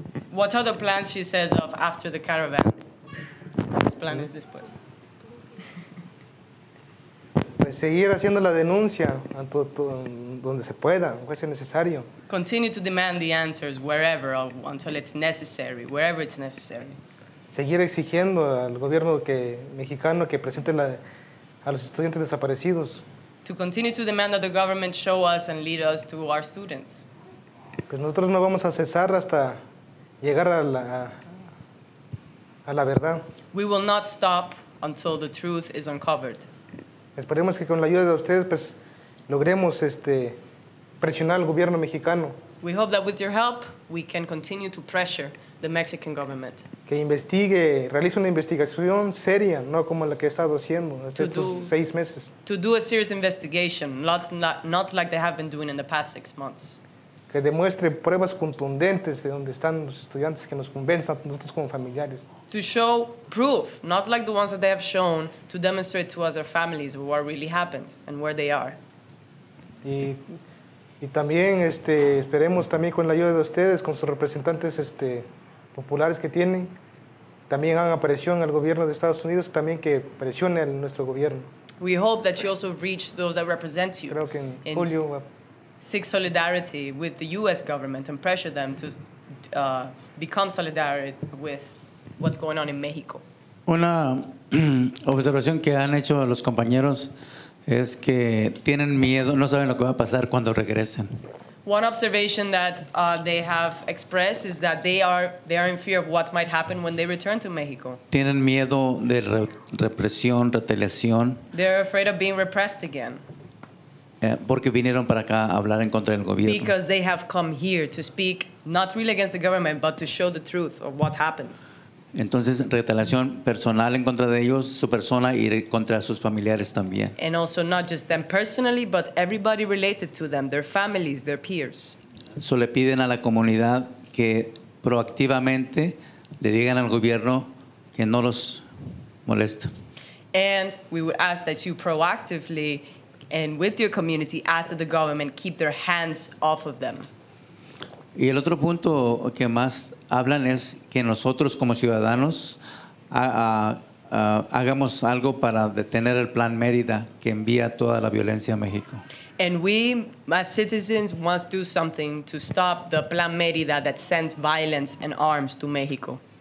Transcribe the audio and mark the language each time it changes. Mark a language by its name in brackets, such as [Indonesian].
[English] What are the plans, she says, of after the caravan? What plan is this place? [Spanish] seguir haciendo la denuncia donde se pueda, aunque sea necesario. [English] Continue to demand the answers wherever until it's necessary, wherever it's necessary. [Spanish] Seguir exigiendo al gobierno mexicano que presente a los estudiantes desaparecidos. [English] To continue to demand that the government show us and lead us to our students. [Spanish] Pues nosotros no vamos a cesar hasta llegar a la verdad. [English] We will not stop until the truth is uncovered. [Spanish] Esperemos que con la ayuda de ustedes pues logremos presionar al gobierno mexicano. [English] We hope that with your help we can continue to pressure the Mexican government. [Spanish] Que investigue, realice una investigación seria, no como la que he estado haciendo estos seis meses. [English] To do a serious investigation, not like they have been doing in the past 6 months. [Spanish] Que demuestre pruebas contundentes de donde están los estudiantes, que nos convenzan nosotros como familiares. [English] To show proof, not like the ones that they have shown, to demonstrate to us our families what really happened and where they are. [Spanish] Y también esperemos también con la ayuda de ustedes, con sus representantes populares que tienen, también hagan presión al gobierno de Estados Unidos, también que presione a nuestro gobierno. [English] We hope that you also reach those that represent you. [Spanish] Creo que en julio [English] seek solidarity with the U.S. government and pressure them to become solidarized with what's going on in Mexico. [Spanish] Una observación que han hecho los compañeros es que tienen miedo, no saben lo que va a pasar cuando regresen. [English] One observation that they have expressed is that they are in fear of what might happen when they return to Mexico. [Spanish] Tienen miedo de represión, retaliación. [English] They're afraid of being repressed again. [Spanish] Porque vinieron para acá a hablar en contra del gobierno. [English] Because they have come here to speak, not really against the government, but to show the truth of what happened. [Spanish] Entonces, retaliación personal en contra de ellos, su persona y contra sus familiares también. [English] And also not just them personally, but everybody related to them, their families, their peers. [Spanish] So le piden a la comunidad que proactivamente le digan al gobierno que no los molesta. [English] And we would ask that you proactively and with your community, ask that the government keep their hands off of them. [Spanish] Y el otro punto que más hablan es que nosotros como ciudadanos hagamos algo para detener el plan Mérida que envía toda la violencia a México. [English] And we, as citizens, must do something to stop the plan Mérida that sends violence and arms to Mexico.